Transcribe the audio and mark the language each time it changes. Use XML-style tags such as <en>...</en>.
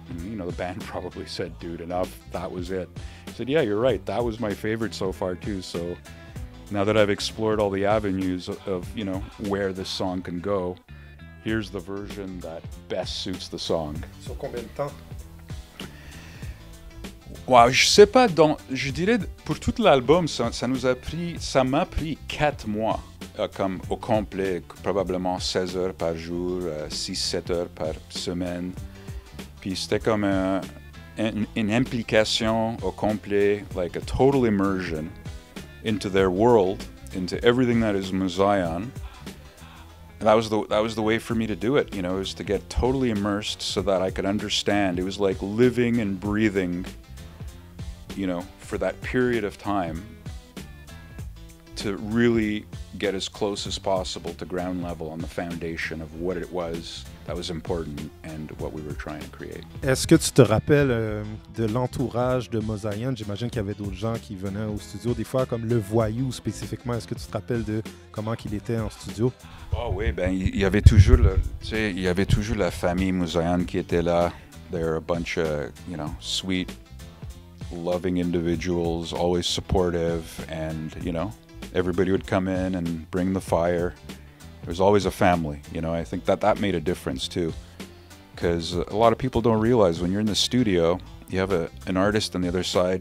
<en>And, you know, the band probably said, dude, enough, that was it. I said, yeah, you're right, that was my favorite so far, too. So now that I've explored all the avenues of, you know, where this song can go, here's the version that best suits the song.</en> <fr>So, combien de temps? Wow, je sais pas, je dirais pour tout l'album, ça m'a pris 4 mois, comme au complet, probablement 16 heures par jour, 6-7 heures par semaine. Puis c'était comme une implication au complet,</fr> <en>like a total immersion into their world, into everything that is Muzion. That was the way for me to do it, you know, is to get totally immersed so that I could understand. It was like living and breathing you know, for that period of time, to really get as close as possible to ground level on the foundation of what it was that was important and what we were trying to create.</en> <fr>Est-ce que tu te rappelles de l'entourage de Muzion? J'imagine qu'il y avait d'autres gens qui venaient au studio des fois, comme le voyou spécifiquement. Est-ce que tu te rappelles de comment qu'il était en studio? Oh oui, ben il y avait toujours le, tu sais, il y avait toujours la famille Muzion qui était là.</fr> <en>They're a bunch of, you know, sweet, loving individuals, always supportive, and you know, everybody would come in and bring the fire. There's always a family, you know. I think that that made a difference too, because a lot of people don't realize when you're in the studio, you have an artist on the other side.</en>